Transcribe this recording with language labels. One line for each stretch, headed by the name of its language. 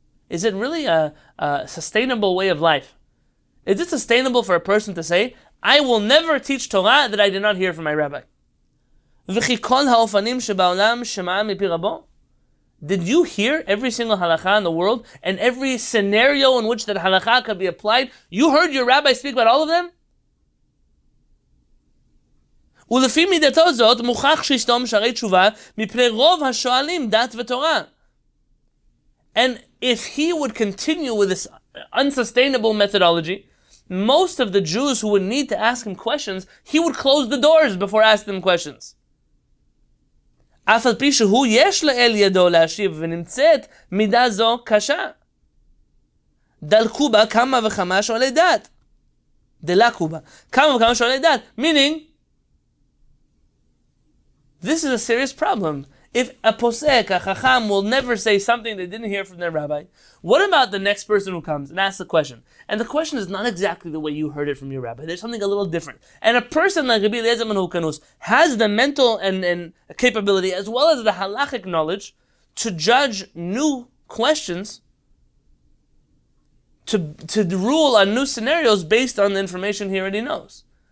English: Is it really a sustainable way of life? Is it sustainable for a person to say, I will never teach Torah that I did not hear from my rabbi?
Hebrew: V'chi kol ha'ofanim shebaolam shema'a mipi rabo?
English: Did you hear every single halakha in the world and every scenario in which that halakha could be applied? You heard your rabbi speak about all of them?
Hebrew: ולפי מידתו זאת מוכח שיסתום שערי תשובה מפני רוב השואלים דת ותורה.
English: And if he would continue with this unsustainable methodology, most of the Jews who would need to ask him questions, he would close the doors before asking them questions.
Hebrew: אף על פי שהוא יש לאל ידו להשיב ונמצאת מידה זו קשה. דלקו בה כמה וכמה שואלי דת. דלקו בה כמה וכמה שואלי דת.
English: Meaning, this is a serious problem. If a posek, a chacham, will never say something they didn't hear from their rabbi, what about the next person who comes and asks a question? And the question is not exactly the way you heard it from your rabbi. There's something a little different. And a person like Rabbi Eliezer ben Hurkanus has the mental and capability, as well as the halachic knowledge, to judge new questions, to rule on new scenarios based on the information he already knows.